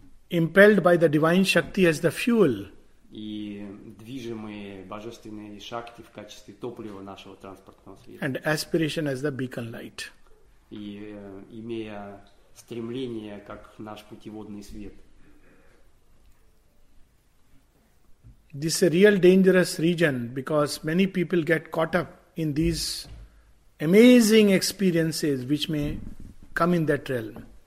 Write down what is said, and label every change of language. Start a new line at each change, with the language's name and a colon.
English: impelled by the divine shakti as the fuel,
Russian: и движимые божественные шакти в качестве топлива нашего транспортного света,
English: and aspiration as the beacon light,
Russian: и имея стремление как наш путеводный свет.
English: This is a real dangerous region because many people get caught up in these amazing experiences which may come in that realm.